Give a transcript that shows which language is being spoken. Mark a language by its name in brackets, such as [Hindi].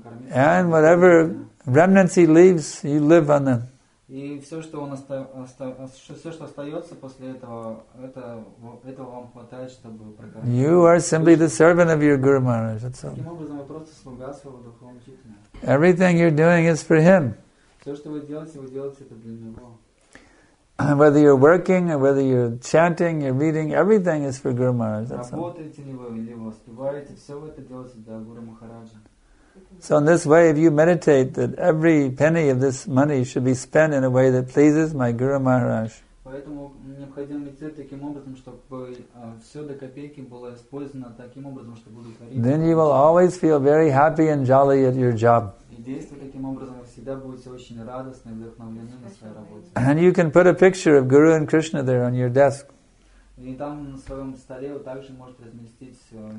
[English] And whatever remnants he leaves, you live on them. [Russian] И все, что он остается после этого, этого вам хватает, чтобы прокормить. [English] You are simply the servant of your Guru Maharaj. That's all. [Russian] Таким образом, вы просто слуга своего духовного учителя. [English] Everything you're doing is for him. [Russian] Все, что вы делаете это для него. [English] Whether you're working, or whether you're chanting, you're reading, everything is for Guru Maharaj. That's all. [Russian] Работаете ли вы, или вы успеваете, все это делаете для Гуру Махараджа. [English] So in this way, if you meditate, that every penny of this money should be spent in a way that pleases my Guru Maharaj. [Russian] Поэтому необходимо медитировать таким образом, чтобы все до копейки было использовано таким образом, чтобы удовлетворить. [English] Then you will always feel very happy and jolly at your job. [Russian] И действуя таким образом, вы всегда будете очень радостны и вдохновлены на своей работе. [English] And you can put a picture of Guru and Krishna there on your desk. [Russian] И там на своем столе вы также можете разместить все.